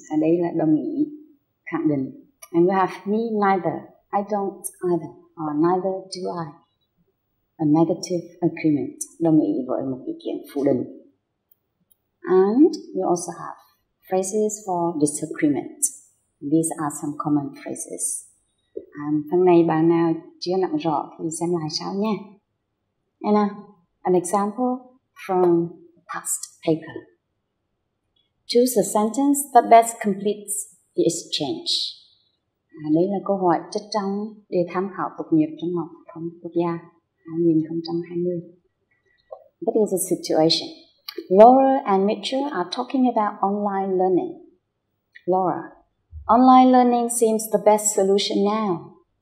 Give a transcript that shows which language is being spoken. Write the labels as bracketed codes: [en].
[vi] Ở đây là đồng ý, khẳng định. [en] And we have me neither, I don't either, or neither do I. A negative agreement, [vi] đồng ý với một ý kiến phủ định. [en] And we also have phrases for disagreement. These are some common phrases. [vi] Phần này bạn nào chưa nắm rõ thì xem lại sau nha. [en] Anna, an example from the past paper. Choose a sentence that best completes the exchange. [vi] Đây là câu hỏi trích trong đề tham khảo tốt nghiệp trung học phổ thông quốc gia 2020. [en] What is the situation? Laura and Mitchell are talking about online learning. Laura, online learning seems the best solution now.